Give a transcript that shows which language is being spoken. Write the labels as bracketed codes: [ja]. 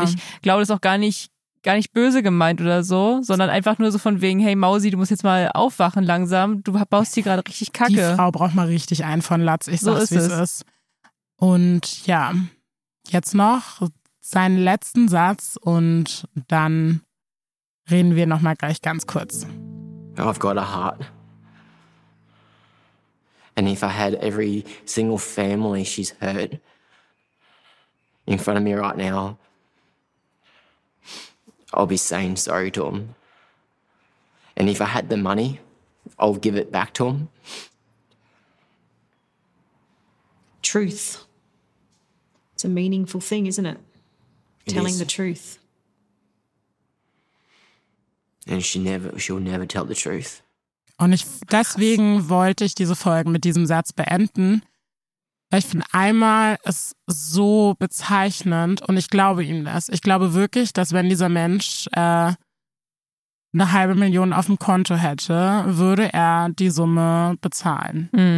[de] Und ich glaube, das ist auch gar nicht böse gemeint oder so, sondern einfach nur so von wegen, hey Mausi, du musst jetzt mal aufwachen langsam. Du baust hier gerade richtig Kacke. Die Frau braucht mal richtig einen von Latz. Ich sag's, wie es ist. Und ja, jetzt noch seinen letzten Satz und dann reden wir noch mal gleich ganz kurz. [en] I've got a heart. And if I had every single family she's hurt in front of me right now, I'll be saying sorry to them. And if I had the money, I'll give it back to them. Truth. It's a meaningful thing, isn't it? Telling the truth. And she'll never tell the truth. [de] Und ich, deswegen wollte ich diese Folge mit diesem Satz beenden. Weil ich finde, einmal ist so bezeichnend und ich glaube ihm das. Ich glaube wirklich, dass wenn dieser Mensch eine 500.000 auf dem Konto hätte, würde er die Summe bezahlen.